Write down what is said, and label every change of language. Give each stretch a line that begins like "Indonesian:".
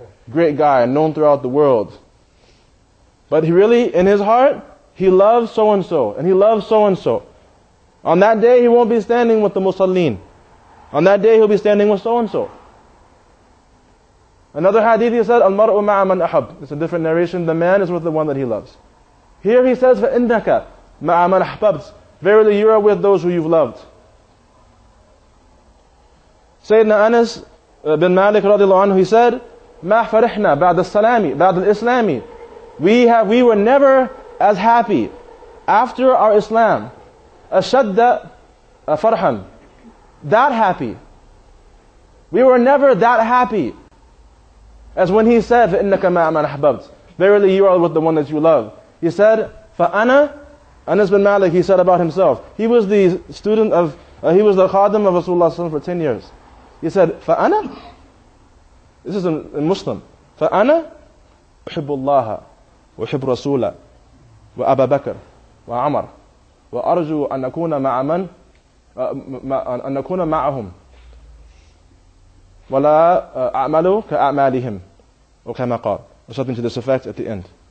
English: Great guy, known throughout the world. But he really, in his heart, he loves so-and-so, and he loves so-and-so. On that day, he won't be standing with the musallin. On that day, he'll be standing with so-and-so. Another hadith, he said,
Arabic: الْمَرْءُ مَعَ مَنْ أَحَبْ.
English: It's a different narration. The man is with the one that he loves. Here he says,
Arabic: فَإِنَّكَ مَعَ مَنْ أَحْبَبْتْ.
English: Verily, you are with those who you've loved.
Arabic: Sayyidina Anas bin Malik radiallahu anhu,
English: he said,
Arabic: مَا فَرِحْنَا بَعْدَ السَّلَامِ بَعْدَ الْإِسْلَامِ.
English: We were never as happy after our Islam.
Arabic: أَشَدَّ فَرْحًا.
English: That happy. We were never that happy as when he said,
Arabic: فَإِنَّكَ مَا مَنْ أَحْبَبْتْ.
English: Verily you are with the one that you love. He said,
Arabic: فَأَنَا.
English: Anas bin Malik, he said about himself. He was the student of, he was the khadim of Rasulullah for 10 years. He said,
Arabic: فَأَنَا
English: This is a Muslim.
Arabic: فَأَنَا أُحِبُّ اللَّهَ وَأُحِبُّ رَسُولَ وَأَبَا بَكْرَ وَعَمَرَ وَأَرْجُو أَنْ أَكُونَ مَعَ مَنْ أَنْ أَكُونَ مَعَهُمْ وَلَا أَعْمَلُوا كَأَعْمَالِهِمْ وَكَمَا قَالْ
English: Or something to this effect at the end.